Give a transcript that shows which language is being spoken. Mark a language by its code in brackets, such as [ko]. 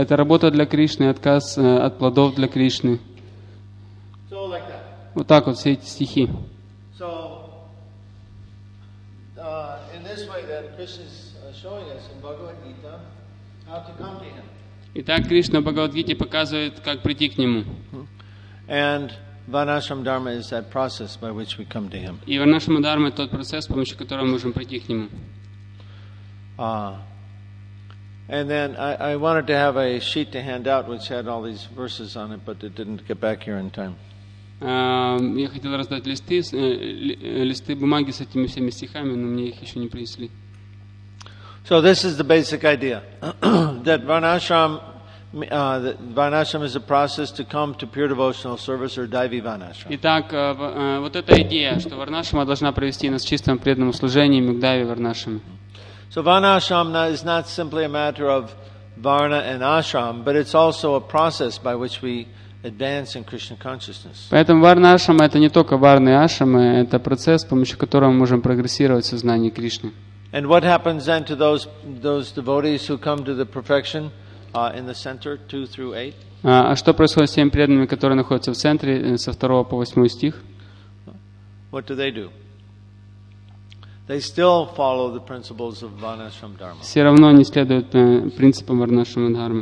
[ru] Это работа для Кришны, отказ от плодов для Кришны. [en] So like that. [ru] Вот так вот все эти стихи. [en] So in this way that Krishna is showing us in Bhagavad Gita how to come to him. [ru] Итак, Кришна в Бхагавад Гите показывает, как прийти к нему. [en] And Varnashram Dharma is that process by which we come to Him. [ru] И Варнашрама Дхарма — это тот процесс, с помощью которого мы можем прийти к Нему. [en] And then I wanted to have a sheet to hand out which had all these verses on it, but it didn't get back here in time. [ru] Я хотел раздать листы бумаги с этими всеми стихами, но мне их еще не принесли. [en] So this is the basic idea that Varnashram Vanashram is a process to come to pure devotional service or Daivi Vanashram. [ru] Итак, вот эта идея, что Варнашрама должна привести нас к чистому преданному служению и к Дайви Варнашрам. [en] So Vanashram is not simply a matter of Varna and Ashram, but it's also a process by which we advance in Krishna consciousness. [ru] Поэтому Варнашрама это не только Варна и Ашрама, это процесс, с помощью которого мы можем прогрессировать в сознании Кришны. [en] And what happens then to those devotees who come to the perfection in the center, 2 through 8? [ru] А что происходит с теми преданными, которые находятся в центре со 2 по 8 стих? [en] What do they do? They still follow the principles of Varnashram Dharma. [ru] Все равно они следуют принципам Варнашрама Дхармы.